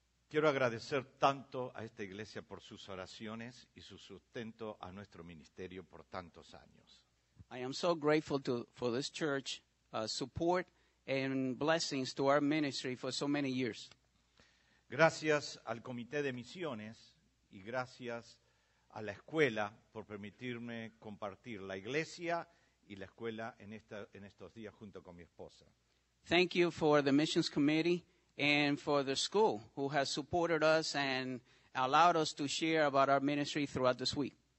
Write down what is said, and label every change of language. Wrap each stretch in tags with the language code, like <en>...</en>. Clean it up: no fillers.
<es>Quiero agradecer tanto a esta iglesia por sus oraciones y su sustento a nuestro ministerio por tantos años.</es> <en>I am so grateful for this church support and blessings to our ministry for so many years.</en> <es>Gracias al Comité de Misiones y gracias a la escuela por permitirme compartir la iglesia y la escuela en esta en estos días junto con mi esposa.</es> <en>Thank you for the Missions Committee and for the school who has supported us and allowed us to share about our ministry throughout this week.</en>